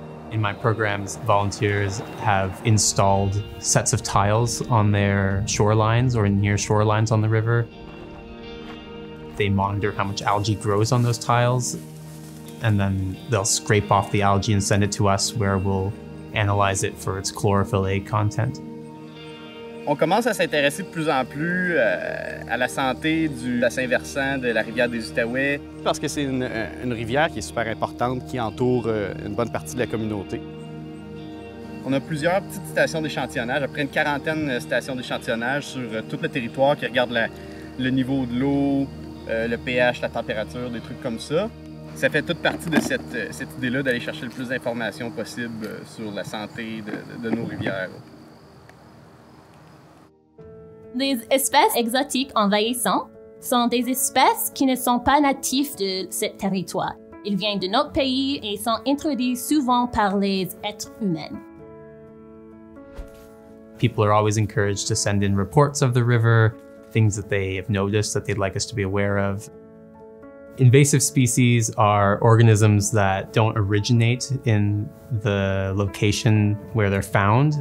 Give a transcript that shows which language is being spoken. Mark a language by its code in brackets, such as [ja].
[en] In my programs, volunteers have installed sets of tiles on their shorelines or near shorelines on the river. they monitor how much algae grows on those tiles, and then they'll scrape off the algae and send it to us, where we'll analyze it for its chlorophyll A content. [fr] On commence à s'intéresser de plus en plus à la santé du bassin versant de la rivière des Outaouais. Parce que c'est une rivière qui est super importante, qui entoure une bonne partie de la communauté. On a plusieurs petites stations d'échantillonnage, à peu près une quarantaine de stations d'échantillonnage sur tout le territoire qui regardent le niveau de l'eau, le pH, la température, des trucs comme ça. Ça fait toute partie de cette idée-là d'aller chercher le plus d'informations possible sur la santé de nos rivières. Les espèces exotiques envahissantes sont des espèces qui ne sont pas natives de ce territoire. Ils viennent de notre pays et sont introduits souvent par les êtres humains. [en] People are always encouraged to send in reports of the river, things that they have noticed that they'd like us to be aware of. Invasive species are organisms that don't originate in the location where they're found.